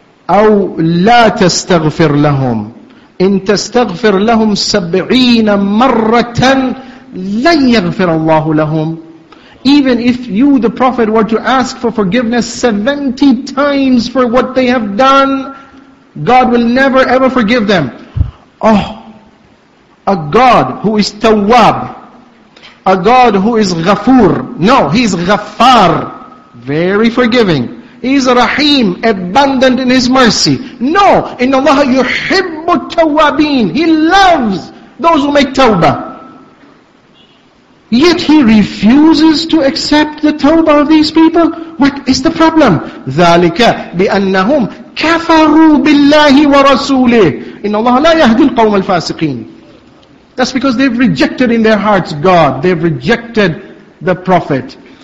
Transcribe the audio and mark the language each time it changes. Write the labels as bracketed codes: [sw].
[ar] أو لا تستغفر لهم إن تستغفر لهم سبعين مرة لن يغفر الله لهم. [en] Even if you, the Prophet, were to ask for forgiveness 70 times for what they have done, God will never ever forgive them. Oh, a God who is Tawwab, a God who is Ghafoor. No, He is Ghaffar, very forgiving. He is Rahim, abundant in His mercy. No, [ar] إِنَّ اللَّهَ يُحِبُّ التَّوَّابِينَ. [en] He loves those who make tawbah. Yet He refuses to accept the tawbah of these people. What is the problem? [ar] ذَلِكَ بِأَنَّهُمْ كَفَرُوا بِاللَّهِ وَرَسُولِهِ. إِنَّ اللَّهَ لَا يَهْدِي الْقَوْمَ الْفَاسِقِينَ. [en] That's because they've rejected in their hearts God. They've rejected the Prophet.